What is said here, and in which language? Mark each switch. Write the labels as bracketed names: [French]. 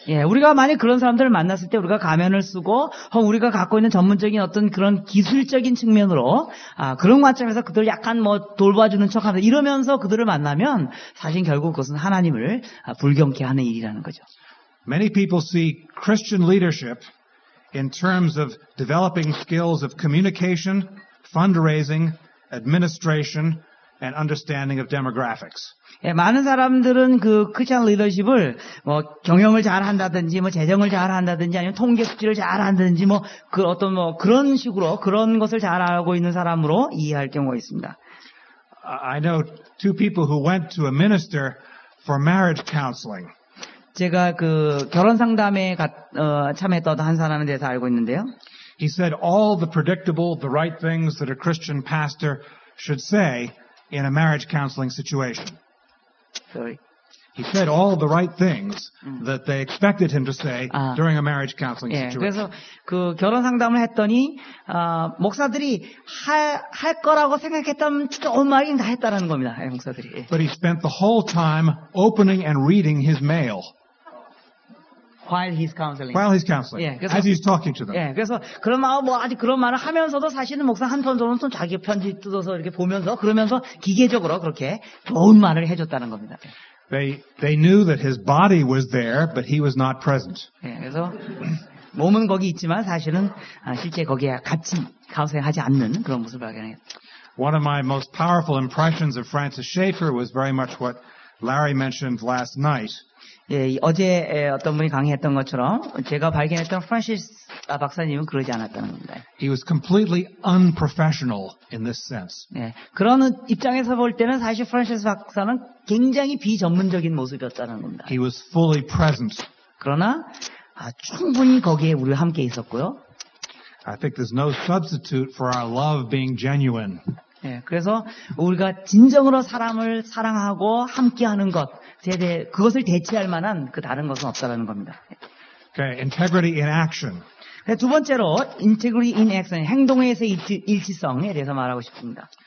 [Korean] 예, 우리가 만약 그런 사람들을 만났을 때 우리가 가면을 쓰고 혹은 우리가 갖고 있는 전문적인 어떤 그런 기술적인 측면으로 그런 관점에서 그들을 약간 뭐 돌봐주는 척하면서 이러면서 그들을 만나면 사실 결국 그것은 하나님을 불경케 하는 일이라는 거죠. [English] Many people see Christian leadership in terms of developing skills of communication, fundraising, administration, and understanding of demographics. [Korean] 예, 많은 사람들은 그 크리스천 리더십을 뭐 경영을 잘 한다든지 뭐 재정을 잘 한다든지 아니면 통계 수치를 잘 한다든지 뭐 그 어떤 뭐 그런 식으로 그런 것을 잘 알고 있는 사람으로 이해할 경우가 있습니다. [English] I know two people who went to a minister for marriage counseling. [Korean] 제가 그 결혼 상담에 참여했던 한 사람에 대해서 알고 있는데요. [English] He said all the predictable, the right things that a Christian pastor should say in a marriage counseling situation. Sorry. He said all the right things that they expected him to say during a marriage counseling situation. [Korean] 예, 그래서 그 결혼 상담을 했더니 목사들이 할 거라고 생각했던 좋은 말이 다 했다라는 겁니다. 목사들이. [English] But he spent the whole time opening and reading his mail. While he's counseling. While he's counseling. [Korean] 예, 그래서, [English] as he's talking to them. [Korean] 예, 그래서 그런 말 뭐 아직 그런 말을 하면서도 사실은 목사 한 편으로는 좀 자기 편지 뜯어서 이렇게 보면서 그러면서 기계적으로 그렇게 좋은 말을 해줬다는 겁니다. [English] They knew that his body was there, but he was not present. [Korean] 예, 그래서 몸은 거기 있지만 사실은 실제 거기에 같이 가세하지 않는 그런 모습을 발견해요. [English] One of my most powerful impressions of Francis Schaeffer was very much what Larry mentioned last night. [Korean] 예, 어제 어떤 분이 강의했던 것처럼 제가 발견했던 프란시스 박사님은 그러지 않았다는 겁니다. [English] He was completely unprofessional in this sense. [Korean] 예, 그런 입장에서 볼 때는 사실 프란시스 박사는 굉장히 비전문적인 모습이었다는 겁니다. [English] He was fully present. [Korean] 그러나 충분히 거기에 우리와 함께 있었고요. [English] I think there's no substitute for our love being genuine. [Korean] 예, 그래서 우리가 진정으로 사람을 사랑하고 함께하는 것 그것을 대체할 만한 그 다른 것은 없다는 겁니다. [English] Okay, integrity in action. [Korean] 두 번째로 [English] integrity in action, [Korean] 행동에서 일치성에 대해서 말하고 싶습니다.